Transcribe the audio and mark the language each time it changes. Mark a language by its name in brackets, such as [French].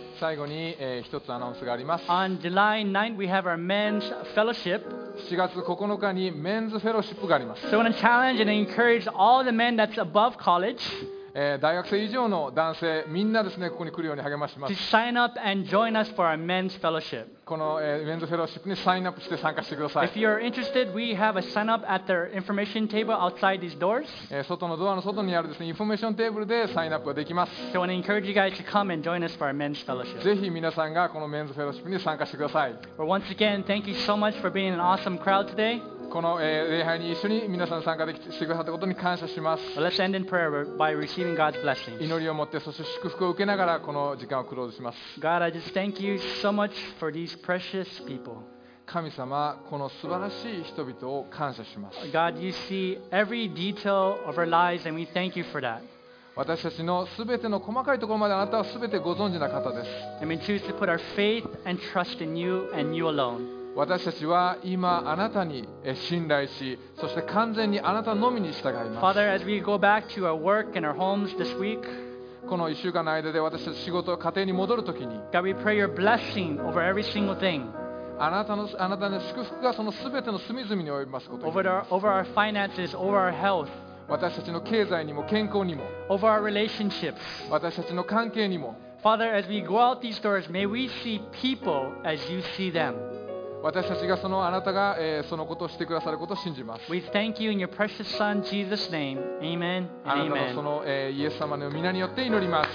[Japanese] 最後に、一つアナウンスがあります。 [English] On July 9th, we have our men's fellowship. [Japanese] 7月9日にメンズフェロシップがあります。 [English] So I want to challenge and encourage all the men that's above college. [Japanese] 大学生以上の男性みんなですね、ここに来るように励まします。 [English] To sign up and join us for our men's fellowship. [Japanese] この、メンズフェロシップにサインアップして参加してください。 [English] If you're interested, we have a sign up at the information table outside these doors. [Japanese] 外のドアの外にあるですね、インフォメーションテーブルでサインアップができます。 [English] So I want to encourage you guys to come and join us for our men's fellowship. [Japanese] ぜひ皆さんがこのメンズフェロシップに参加してください。 [English] Well, once again, thank you so much for being an awesome crowd today. [Japanese] この礼拝に一緒に皆さん参加できてくださったことに感謝します。 [English] Let's end in prayer by receiving God's blessings. [Japanese] 祈りを持ってそして祝福を受けながらこの時間をクローズします。 [English] God, I just thank you so much for these precious people. [Japanese] 神様、この素晴らしい人々を感謝します。 [English] God, you see every detail of our lives and we thank you for that. [Japanese] 私たちのすべての細かいところまであなたはすべてご存知な方です。 [English] And we choose to put our faith and trust in you and you alone. [Japanese] 私たちは今あなたに信頼し、そして完全にあなたのみに従います。 [English] Father, as we go back to our work and our homes this week, [Japanese] この1週間の間で私たち仕事、家庭に戻るときに、 [English] God, we pray your blessing over every single thing. [Japanese] あなたの祝福がそのすべての隅々に及びますこと [English] に。Over our finances, over our health. [Japanese] 私たちの経済にも健康にも、 [English] Over our relationships. [Japanese] 私たちの関係にも、 [English] Father, as we go out these doors, may we see people as you see them. [Japanese] 私たちがそのあなたが、そのことをしてくださることを信じます。 [English] We thank you in your precious Son Jesus' name. Amen. Amen. [Japanese] あなたのその、イエス様の名によって祈ります。